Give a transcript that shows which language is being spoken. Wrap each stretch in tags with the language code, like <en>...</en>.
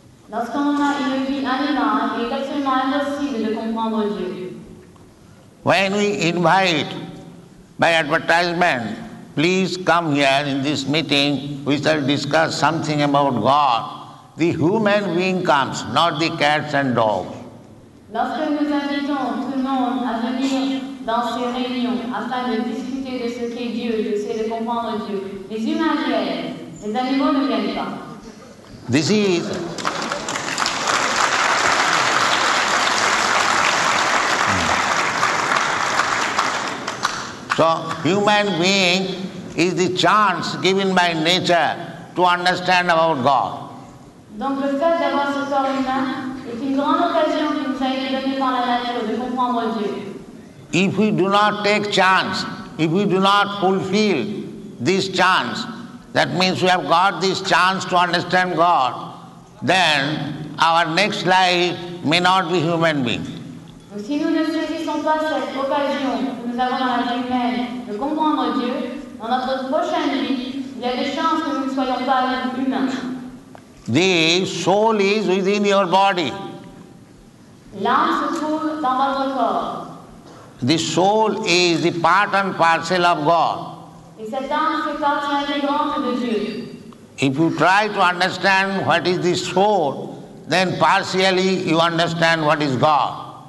<fr>Lorsqu'on a une vie animale, il est absolument impossible de comprendre Dieu.</fr> <en>When we invite by advertisement, please come here in this meeting, we shall discuss something about God. The human being comes, not the cats and dogs.</en> <fr>Lorsque nous invitons tout le monde à venir dans ces réunions afin de discuter de ce qu'est Dieu, de comprendre Dieu, les humains viennent, les animaux ne viennent pas.</fr> <en>So, human being is the chance given by nature to understand about God.</en> <fr>Donc le fait d'avoir ce corps humain est une grande occasion qui nous a été donnée par la nature de comprendre Dieu.</fr> <en>If we do not take chance, if we do not fulfill this chance, that means we have got this chance to understand God, then our next life may not be human being.</en> <fr>Si nous ne saisissons pas cette occasion que nous avons dans la vie humaine de comprendre Dieu, dans notre prochaine vie, il y a des chances que nous ne soyons pas humains.</fr> <en>The soul is within your body.</en> <fr>L'âme se trouve dans votre corps.</fr> <en>The soul is the part and parcel of God.</en> <fr>Et cette âme fait partie intégrante de Dieu.</fr> <en>If you try to understand what is the soul, then partially you understand what is God.</en>